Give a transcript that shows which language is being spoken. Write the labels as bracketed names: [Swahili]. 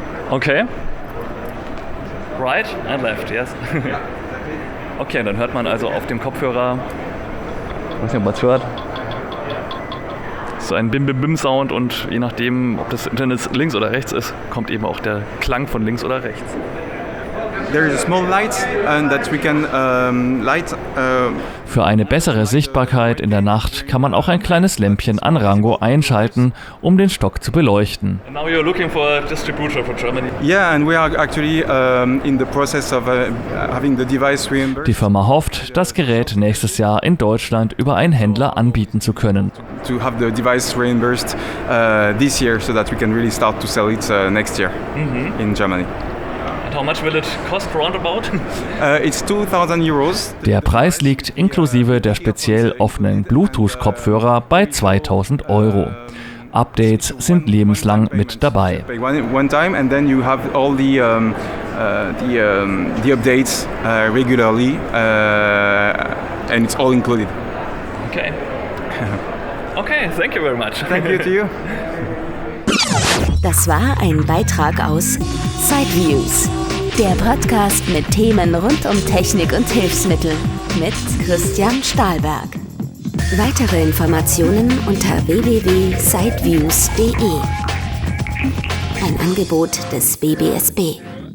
[English] Okay. Right and left, yes. [German] Okay, dann hört man also auf dem Kopfhörer, ich weiß nicht, ob man es hört, so ein Bim-Bim-Bim-Sound und je nachdem, ob das Internet links oder rechts ist, kommt eben auch der Klang von links oder rechts. [English] There is a small light and that we can light. [German] Für eine bessere Sichtbarkeit in der Nacht kann man auch ein kleines Lämpchen an Rango einschalten, um den Stock zu beleuchten. [English] And now you're looking for a distributor for Germany. Yeah, and we are actually in the process of having the device reimbursed. [German] Die Firma hofft, das Gerät nächstes Jahr in Deutschland über einen Händler anbieten zu können. [English] To have the device reimbursed this year, so that we can really start to sell it next year in Germany. How much will it cost roundabout? It's 2000 euros. [German] Der Preis liegt inklusive der speziell offenen Bluetooth-Kopfhörer bei 2000 Euro. Updates sind lebenslang mit dabei. [English] One time and then you have all the updates regularly and it's all included. Okay. Okay, thank you very much. Thank you to you. [German] Das war ein Beitrag aus Sideviews. Der Podcast mit Themen rund um Technik und Hilfsmittel mit Christian Stahlberg. Weitere Informationen unter www.sideviews.de. Ein Angebot des BBSB.